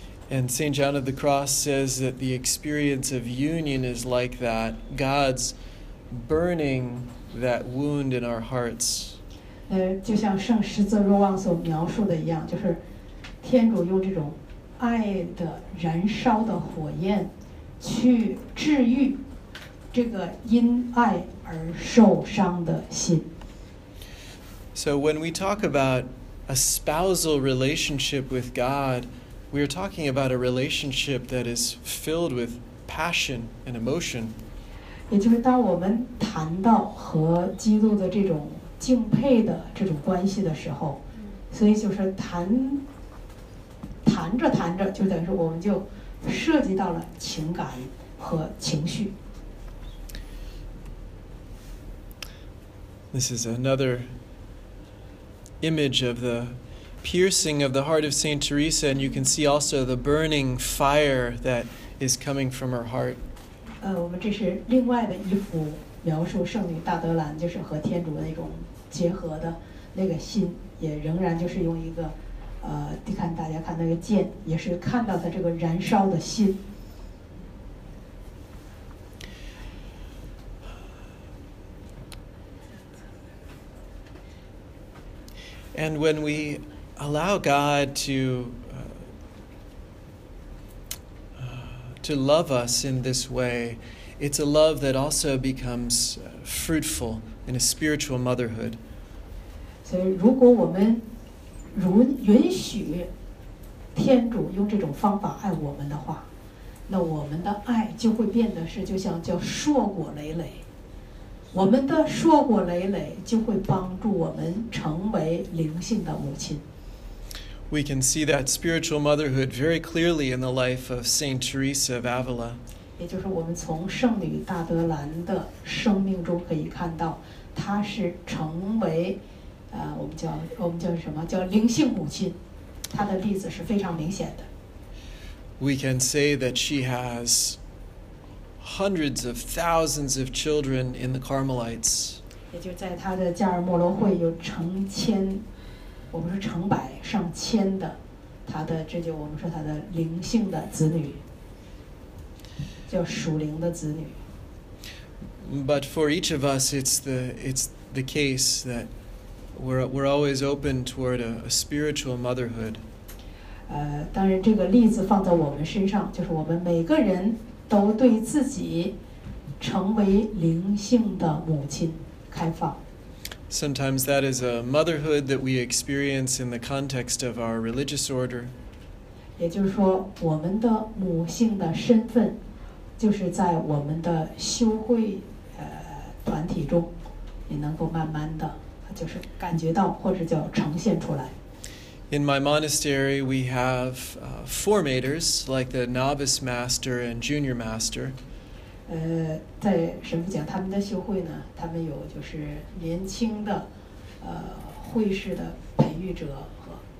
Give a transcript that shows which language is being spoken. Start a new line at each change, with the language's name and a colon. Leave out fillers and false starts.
English: And Saint John of the Cross says that the experience of union is like that. God's burning that wound in our hearts.
Chinese: 就像圣十字若望所描述的一样，就是天主用这种爱的燃烧的火焰去治愈这个因爱而受伤的心。
English: So when we talk about a spousal relationship with God, we are talking about a relationship that is filled with passion and emotion.
Chinese: 也就是当我们谈到和基督的这种敬佩的这种关系的时候，所以就是谈着谈着，就等于说我们就涉及到了情感和情绪。
English: This is another image of the piercing of the heart of Saint Teresa, and you can see also the burning fire that is coming from her heart.
Chinese: 我们这是另外的一幅描述圣女大德兰就是和天主那种结合的那个心，也仍然就是用一个，你看大家看那个剑，也是看到她这个燃烧的心。
English: And when we allow God to love us in this way, it's a love that also becomes fruitful in a spiritual motherhood.
Chinese: So, 如果我们允许天主用这种方法爱我们的话，那我们的爱就会变得是就像叫硕果累累。我们的硕果累累就会帮助我们成为灵性的母亲。
English: We can see that spiritual motherhood very clearly in the life of Saint Teresa of Avila.
Chinese: 也就是我们从圣女大德兰的生命中可以看到，她是成为，我们叫什么？叫灵性母亲。她的例子是非常明显的。
English: We can say that she has hundreds of thousands of children in the Carmelites.
Chinese: 也就在他的加尔默罗会有成千，我们说成百上千的，他的这就我们说他的灵性的子女，叫属灵的子女。
English: But for each of us, it's the case that we're always open toward a spiritual motherhood.
Chinese: 当然这个例子放在我们身上，就是我们每个人都对自己成为灵性的母亲开放。
English: Sometimes that is a motherhood that we experience in the context of our religious order.
Chinese: 也就是说，我们的母性的身份就是在我们的修会团体中，也能够慢慢的就是感觉到或者叫呈现出来。
English: In my monastery, we have formators like the novice master and junior master.
Chinese: 在神父讲他们的修会呢，他们有就是年轻的会士的培育者和